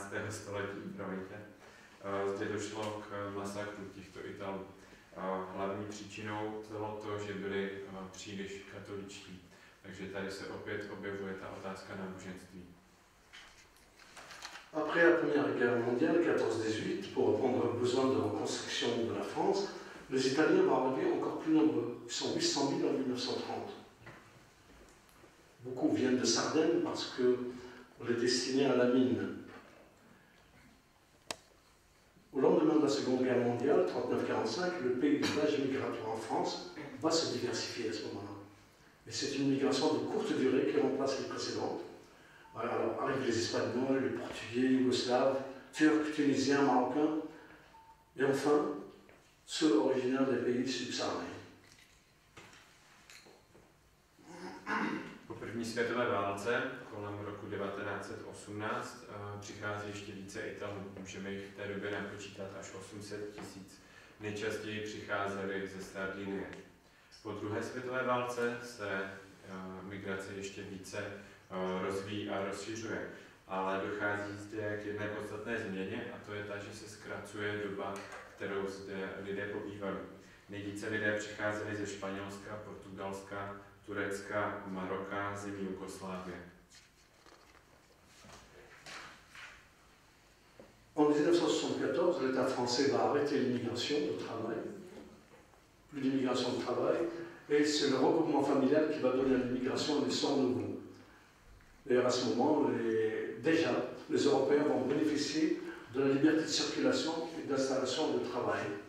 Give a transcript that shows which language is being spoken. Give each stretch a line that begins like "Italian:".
Czech: století, promiňte, zde došlo k masakru těchto Italů. Hlavní příčinou bylo to, že byli příliš katoličtí. Takže tady se opět objevuje ta otázka na náboženství.
French: Après la Première Guerre mondiale 14-18, pour répondre aux besoins de reconstruction de la France, les Italiens vont arriver encore plus nombreux, ils sont 800 000 en 1930. Beaucoup viennent de Sardaigne parce qu'on les destinait à la mine. Au lendemain de la Seconde Guerre mondiale, 39-45, le paysage migratoire en France va se diversifier à ce moment-là. Et c'est une migration de courte durée qui remplace les précédentes. Alors, arrivent les Espagnols, les Portugais, Yougoslaves, Turcs, Tunisiens, Marocains, et enfin, ceux originaires des pays subsahariens.
Czech: Po první světové válce, kolem roku 1918, přichází ještě více Italů. Můžeme jich v té době napočítat až 800 tisíc. Nejčastěji přicházeli ze Sardinie. Po druhé světové válce se migrace ještě více rozvíjí a rozšiřuje, ale dochází zde k jedné podstatné změně, a to je ta, že se zkracuje doba, kterou zde lidé pobývali. Nejvíce lidé přicházeli ze Španělska, Portugalska, Turecka, Maroka, zemí Jugoslávie.
French: En 1974, l'État français va arrêter l'immigration de travail, plus d'immigration de travail, et c'est le regroupement familial qui va donner à l'immigration un essor nouveau. Et à ce moment, les Européens vont bénéficier de la liberté de circulation et d'installation de travail.